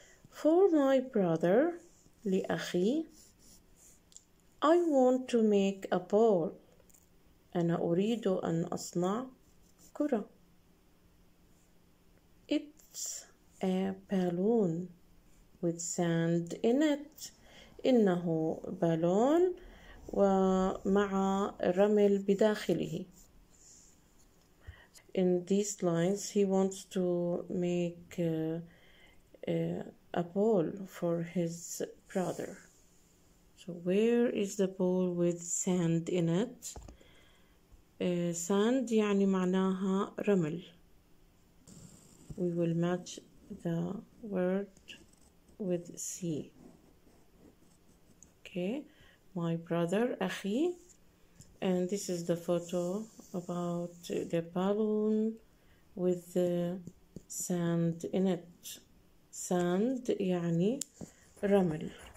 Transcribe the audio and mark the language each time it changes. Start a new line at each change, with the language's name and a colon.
English: For my brother,
Arabic: لأخي,
English: I want to make a ball.
Arabic: أنا أريد أن أصنع كرة.
English: It's a balloon with sand in it.
Arabic: إنه بالون ومع رمل بداخله.
English: In these lines, he wants to make a ball for his brother. So where is the ball with sand in it?
Arabic: Sand يعني معناها رمل.
English: We will match the word with C. Okay, my brother,
Arabic: أخي.
English: And this is the photo about the balloon with the sand in it.
Arabic: Sand يعني رمل.